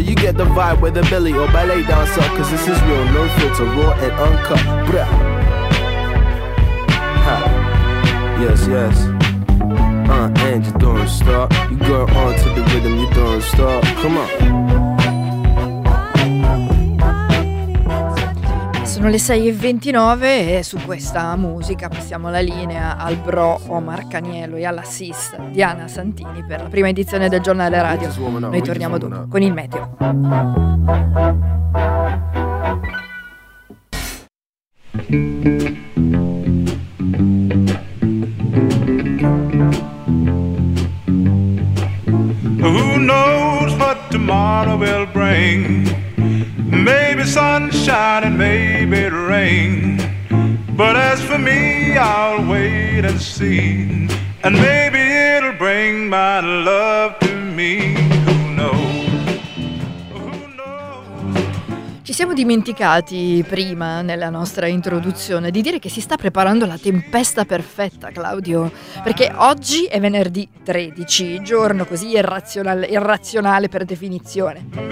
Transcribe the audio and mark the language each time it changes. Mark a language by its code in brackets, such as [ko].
[en] You get the vibe with a belly or ballet dancer, cause this is real, no filter, raw and uncut. Bruh. Ha. Yes, yes. And you don't stop. You go on to the rhythm, you don't stop. Come on. [it] Sono le 6:29 e su questa musica passiamo la linea al bro Omar Caniello e alla sis Diana Santini per la prima edizione del giornale radio. Noi torniamo dopo con il meteo. [en] Who knows what tomorrow will bring? Maybe sunshine and maybe rain. But as for me, I'll wait and see. And maybe it'll bring my love to me. Who knows? Who knows? [it] Ci siamo dimenticati prima, nella nostra introduzione, di dire che si sta preparando la tempesta perfetta, Claudio. Perché oggi è venerdì 13, giorno così irrazionale per definizione.